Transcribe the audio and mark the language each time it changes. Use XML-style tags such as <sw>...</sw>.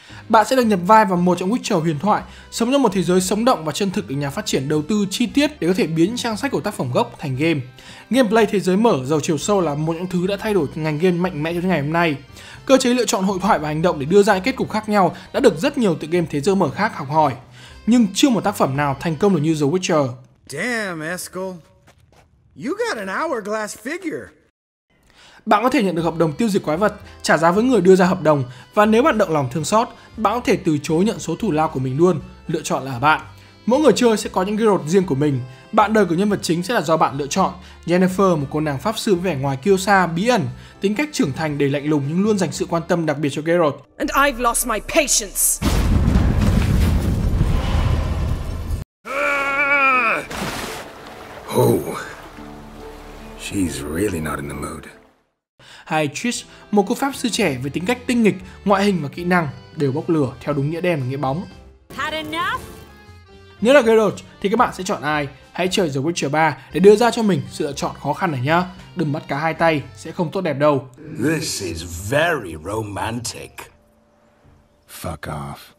<vi>Bạn sẽ được nhập vai vào một trong Witcher huyền thoại, sống trong một thế giới sống động và chân thực được nhà phát triển đầu tư chi tiết để có thể biến trang sách của tác phẩm gốc thành game. Gameplay thế giới mở giàu chiều sâu là một những thứ đã thay đổi ngành game mạnh mẽ cho ngày hôm nay. Cơ chế lựa chọn hội thoại và hành động để đưa ra những kết cục khác nhau đã được rất nhiều tựa game thế giới mở khác học hỏi, nhưng chưa một tác phẩm nào thành công được như The Witcher.</vi> <en>Damn, Eskel. You got an hourglass figure.</en> <vi>Bạn có thể nhận được hợp đồng tiêu diệt quái vật, trả giá với người đưa ra hợp đồng, và nếu bạn động lòng thương xót, bạn có thể từ chối nhận số thù lao của mình luôn, lựa chọn là bạn. Mỗi người chơi sẽ có những Geralt riêng của mình, bạn đời của nhân vật chính sẽ là do bạn lựa chọn. Yennefer, một cô nàng pháp sư vẻ ngoài kiêu sa, bí ẩn, tính cách trưởng thành đầy lạnh lùng nhưng luôn dành sự quan tâm đặc biệt cho Geralt.</vi> <en>And I've lost my patience. Oh. She's really not in the mood.</en> <vi>Hay Triss, một cô pháp sư trẻ với tính cách tinh nghịch, ngoại hình và kỹ năng đều bốc lửa theo đúng nghĩa đen và nghĩa bóng. Nếu là Geralt thì các bạn sẽ chọn ai? Hãy chơi The Witcher 3 để đưa ra cho mình sự lựa chọn khó khăn này nhá. Đừng bắt cá hai tay, sẽ không tốt đẹp đâu.</vi> <en>This is very romantic. Fuck off.</en>